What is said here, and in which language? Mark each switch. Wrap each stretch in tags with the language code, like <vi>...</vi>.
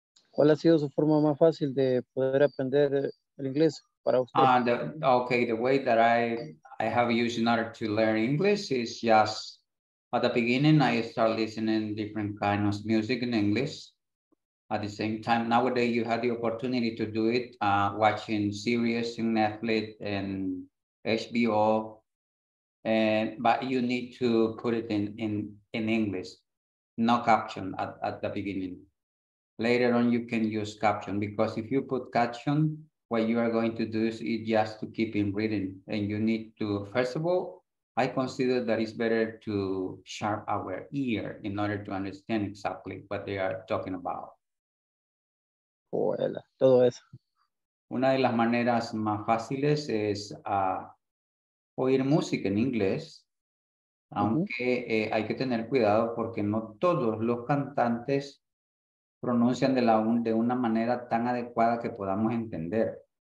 <es>¿Cuál ha sido su forma más fácil de poder aprender el inglés para usted?</es> <en>The way that I have used in order to learn English is just at the beginning, I start listening different kinds of music in English. At the same time, nowadays you have the opportunity to do it watching series in Netflix and HBO, but you need to put it in English, no caption at the beginning. Later on, you can use caption, because if you put caption, what you are going to do is it just to keep in reading, and you need to, first of all, I consider that it's better to sharp our ear in order to understand exactly what they are talking about.</en> <es>Hola, todo eso. Una de las maneras más fáciles es oír música en inglés, aunque hay que tener cuidado porque no todos los cantantes pronuncian de una manera tan adecuada que podamos entender.</es>